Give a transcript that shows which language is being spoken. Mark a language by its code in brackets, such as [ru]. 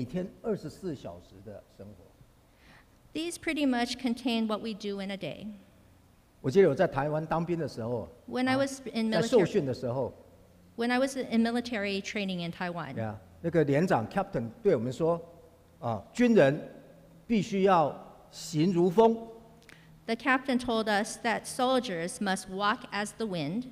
[zh] 这个已经涵盖一个人每天24小时的生活。 [en] These pretty much contain what we do in a day. [zh] 我记得我在台湾当兵的时候, [en] when I was in military, [zh] 在受训的时候, [en] when I was in military training in Taiwan, [zh] yeah, 那个连长, captain, 对我们说, 军人必须要 行如风, [en] the captain told us that soldiers must walk as the wind.